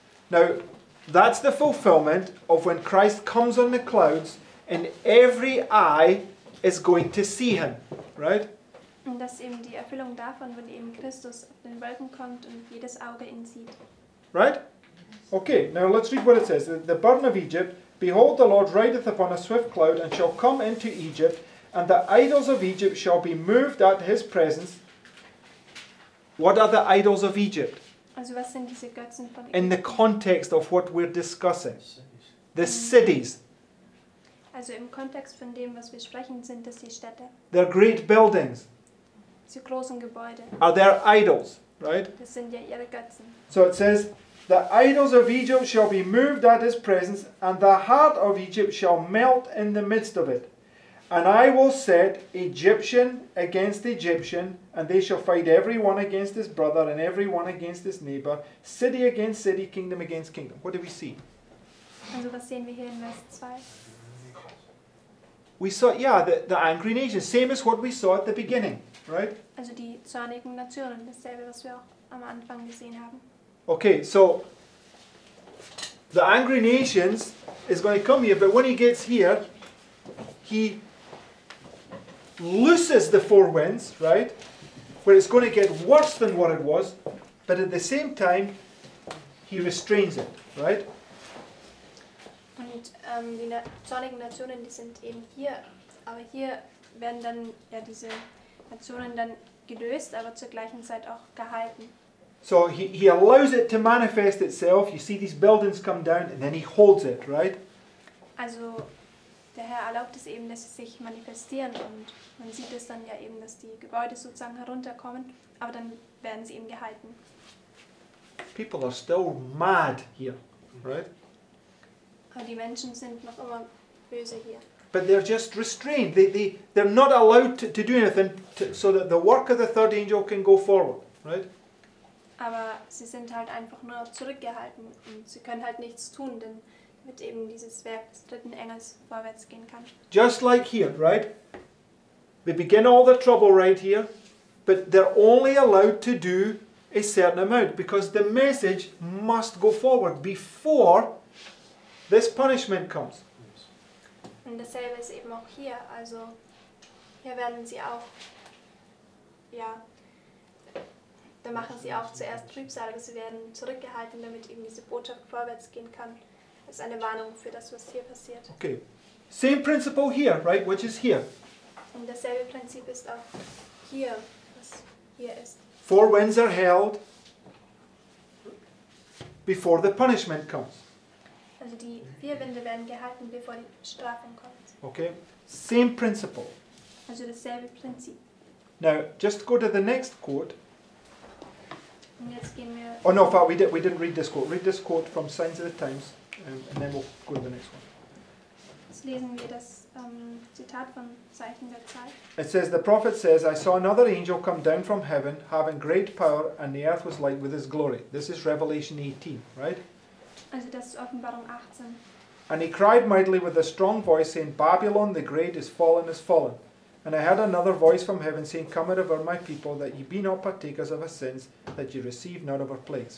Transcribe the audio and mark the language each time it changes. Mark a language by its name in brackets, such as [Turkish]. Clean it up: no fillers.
[English] Now, that's the fulfillment of when Christ comes on the clouds and every eye is going to see him, right? [German] Und das ist eben die Erfüllung davon, wenn eben Christus auf den Wolken kommt und jedes Auge ihn sieht. [English] Right? Okay, now let's read what it says. The burden of Egypt, behold, the Lord rideth upon a swift cloud and shall come into Egypt, and the idols of Egypt shall be moved at his presence. What are the idols of Egypt? [German] Also was sind diese Götzen von [English] Egypt? In the context of what we're discussing. The cities. [German] Also im Kontext von dem, was wir sprechen, sind das die Städte. [English] They're great buildings. [German] Die großen Gebäude. [English] Are their idols, right? [German] Das sind ja ihre Götzen. [English] So it says, the idols of Egypt shall be moved at his presence, and the heart of Egypt shall melt in the midst of it. And I will set Egyptian against Egyptian, and they shall fight every one against his brother, and every one against his neighbor, city against city, kingdom against kingdom. What do we see? [German] Also was sehen wir hier in Vers 2? [English] We saw, yeah, the angry nations, same as what we saw at the beginning, right? [German] Also die zornigen Nationen, dasselbe, was wir auch am Anfang gesehen haben. [English] Okay, so the angry nations is going to come here, but when he gets here, he looses the four winds, right? Where it's going to get worse than what it was, but at the same time, he restrains it, right? [German] Und die zornigen Nationen, die sind eben hier, aber hier werden dann ja diese Nationen dann gelöst, aber zur gleichen Zeit auch gehalten. [English] So he allows it to manifest itself. You see these buildings come down and then he holds it, right? [German] Also der Herr erlaubt es eben, dass sie sich manifestieren und man sieht es dann ja eben, dass die Gebäude sozusagen herunterkommen, aber dann werden sie eben gehalten. [English] People are still mad here, right? [German] Die Menschen sind noch immer böse hier. [English] but they're just restrained. They're not allowed to do anything so that the work of the third angel can go forward, right? [German] Aber sie sind halt einfach nur zurückgehalten und sie können halt nichts tun, denn mit eben dieses Werk des dritten Engels vorwärts gehen kann. [English] Just like here, right? They begin all the trouble right here, but they're only allowed to do a certain amount because the message must go forward before this punishment comes. [German] Und dasselbe ist eben auch hier. Also hier werden sie auch, ja, da machen sie auch zuerst Trübsal, aber sie werden zurückgehalten, damit eben diese Botschaft vorwärts gehen kann. Das ist eine Warnung für das, was hier passiert. [English] Okay. Same principle here, right? Which is here. [German] Und dasselbe Prinzip ist auch hier, was hier ist. [English] Four winds are held before the punishment comes. [German] Also die vier Winde werden gehalten, bevor die Strafe kommt. [English] Okay. Same principle. [German] Also dasselbe Prinzip. [English] Now, just go to the next quote. [German] Und jetzt gehen wir [English] we didn't read this quote. Read this quote from Signs of the Times and then we'll go to the next one. [German] Jetzt lesen wir das Zitat von Zeichen der Zeit. [English] It says, the prophet says, I saw another angel come down from heaven, having great power, and the earth was light with his glory. This is Revelation 18, right? [German] Also das ist Offenbarung 18. [English] And he cried mightily with a strong voice, saying, Babylon the great is fallen, is fallen. And I heard another voice from heaven saying, Come out of her, my people, that ye be not partakers of her sins, that ye receive not of her plagues.